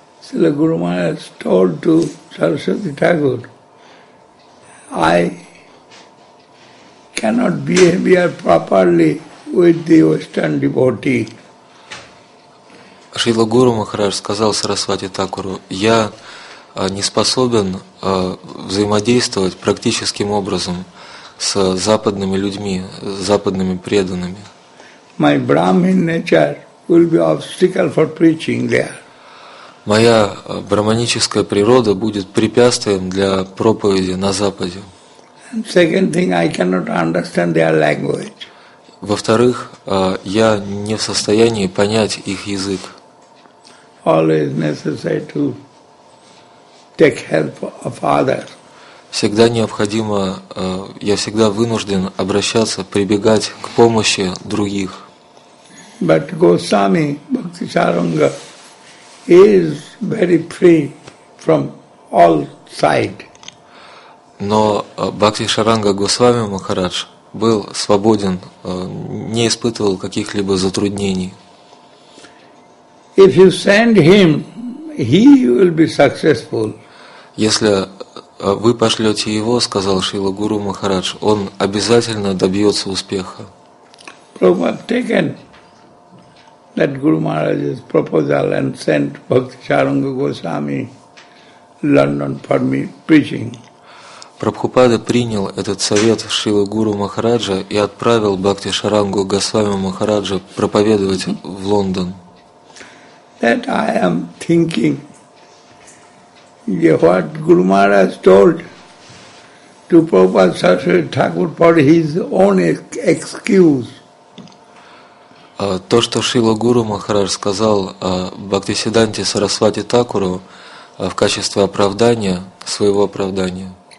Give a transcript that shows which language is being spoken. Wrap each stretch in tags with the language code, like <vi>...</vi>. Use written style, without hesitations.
<en>Шрила Гуру Махарадж told to Сарасвати Такур, I cannot behave properly with the Western devotee.</en> <ru>Шрила Гуру Махарадж сказал Сарасвати Такуру, я не способен взаимодействовать практическим образом с западными людьми, с западными преданными.</ru> <en>My Brahmin nature will be obstacle for preaching there.</en> <ru>Моя брахманическая природа будет препятствием для проповеди на Западе.</ru> <en>And second thing, I cannot understand their language.</en> <ru>Во-вторых, я не в состоянии понять их язык.</ru> <en>Always necessary to take help of others.</en> <ru>Всегда необходимо, я всегда вынужден обращаться, прибегать к помощи других.</ru> <en>But Goswami Bhaktisaranga is very free from all side.</en> <ru>Но Бхактисаранга Госвами Махарадж был свободен, не испытывал каких-либо затруднений.</ru> <en>If you send him, he will be successful.</en> <ru>Если вы пошлете его, сказал Шрила Гуру Махарадж, он обязательно добьется успеха.</ru> <en>Prabhupada taken that Guru Maharaj's proposal and sent Bhakti Charanga Goswami London for me preaching.</en> <ru>Прабхупада принял этот совет Шрилы Гуру Махараджа и отправил Бхакти Шарангу Госвами Махараджа проповедовать в Лондон.</ru> <en>That I am thinking, what Guru Maharaj told to Prabhupada Saraswati Thakur for his own excuse.</en> <ru>То, что Шрила Гуру Махарадж сказал Бхактисиддханте Сарасвати Такуру в качестве оправдания, своего оправдания.</ru>